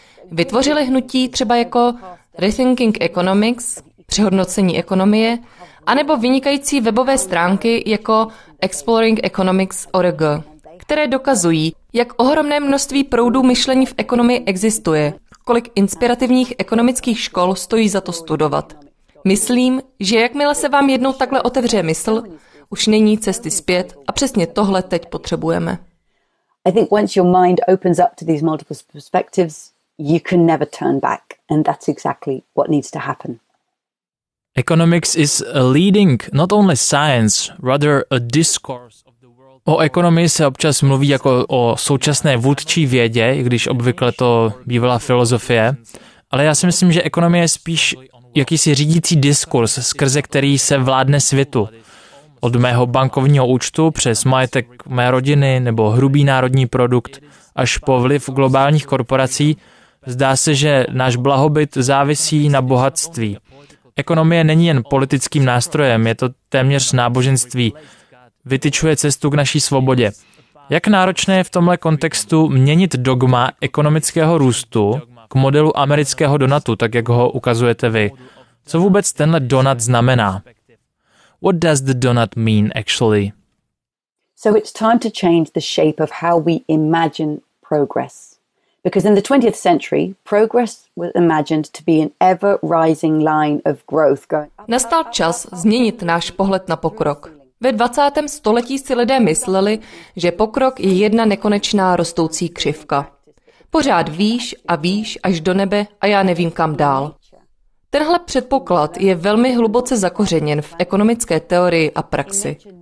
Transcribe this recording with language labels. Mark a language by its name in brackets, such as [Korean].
[Czech] Vytvořili hnutí třeba jako Rethinking Economics, přehodnocení ekonomie, anebo vynikající webové stránky jako exploringeconomics.org, které dokazují, jak ohromné množství proudů myšlení v ekonomii existuje, kolik inspirativních ekonomických škol stojí za to studovat. Myslím, že jakmile se vám jednou takhle otevře mysl, už není cesty zpět a přesně tohle teď potřebujeme. [English] I think once your mind opens up to these multiple perspectives, you can never turn back, and that's exactly what needs to happen. Economics is a leading, not only science, rather a discourse. [Czech] O ekonomii se občas mluví jako o současné vůdčí vědě, když obvykle to bývala filozofie, ale já si myslím, že ekonomie je spíš jakýsi řídící diskurs, skrze který se vládne světu. Od mého bankovního účtu přes majetek mé rodiny nebo hrubý národní produkt až po vliv globálních korporací, zdá se, že náš blahobyt závisí na bohatství. Ekonomie není jen politickým nástrojem, je to téměř náboženství. Vytyčuje cestu k naší svobodě. Jak náročné je v tomhle kontextu měnit dogma ekonomického růstu k modelu amerického donutu, tak jak ho ukazujete vy? Co vůbec tenhle donut znamená? [English] What does the donut mean, actually? So it's time to change the shape of how we imagine progress. Because in the 20th century, progress was imagined to be an ever-rising line of growth. [Czech] Nastal čas změnit náš pohled na pokrok. Ve 20. století si lidé mysleli, že pokrok je jedna nekonečná rostoucí křivka. Pořád výš a výš až do nebe a já nevím kam dál. Tenhle předpoklad je velmi hluboce zakořeněn v ekonomické teorii a praxi.